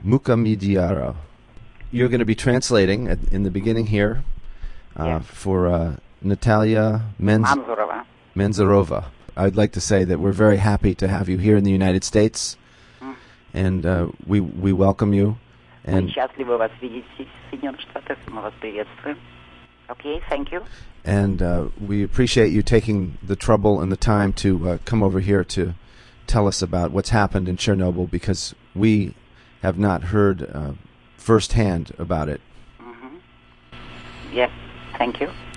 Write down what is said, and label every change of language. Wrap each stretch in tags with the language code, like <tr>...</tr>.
<en>Mukhamedyarova. You're going to be translating at, in the beginning here for Natalia Manzarova. I'd like to say that we're very happy to have you here in the United States, and we welcome you.</en> <ru>And счастливы вас видеть в Соединенных Штатах. Мы вас приветствуем.</ru> <en>Okay, thank you. And we appreciate you taking the trouble and the time to come over here to tell us about what's happened in Chernobyl, because we have not heard firsthand about it. Mm-hmm. Yes, thank you.</en>